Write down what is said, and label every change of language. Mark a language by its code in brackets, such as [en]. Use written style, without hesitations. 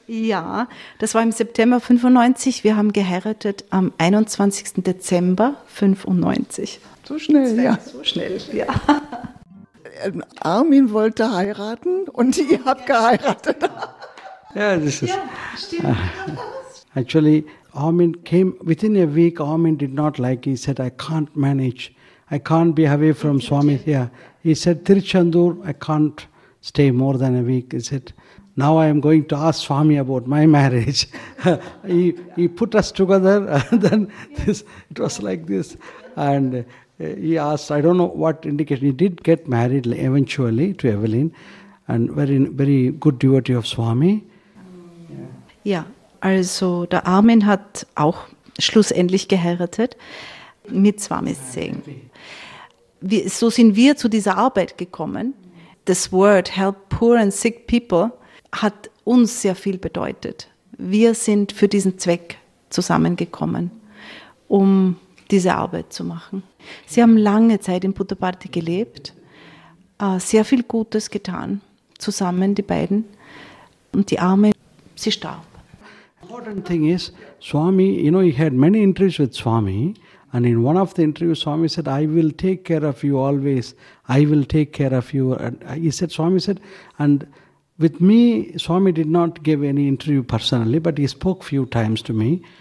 [de] Ja, das war im September 95. Wir haben geheiratet am 21. Dezember 95. So schnell, ja. So schnell, ja. Armin wollte heiraten und ihr habt geheiratet. Ja, das ist. Ja, stimmt. [en] Actually, Armin came within a week. Armin did not like. He said, I can't manage. I can't be away from Swami. Yeah. He said, Tiruchendur, I can't stay more than a week. He said, now I am going to ask Swami about my marriage. he put us together, and then this, it was like this. And he asked, I don't know what indication, he did get married eventually to Evelyn, and very, very good devotee of Swami. [de] Ja, also der Armin hat auch schlussendlich geheiratet mit Swami Singh. So sind wir zu dieser Arbeit gekommen. [en] This word, help poor and sick people, [de] hat uns sehr viel bedeutet. Wir sind für diesen Zweck zusammengekommen, um diese Arbeit zu machen. Sie haben lange Zeit in Puttaparthi gelebt, sehr viel Gutes getan, zusammen, die beiden. Und die Arme, sie starb. [en] The important thing is, Swami, you know, he had many interviews with Swami, and in one of the interviews, Swami said, I will take care of you always. I will take care of you. And he said, Swami said, and with me, Swami did not give any interview personally, but he spoke few times to me.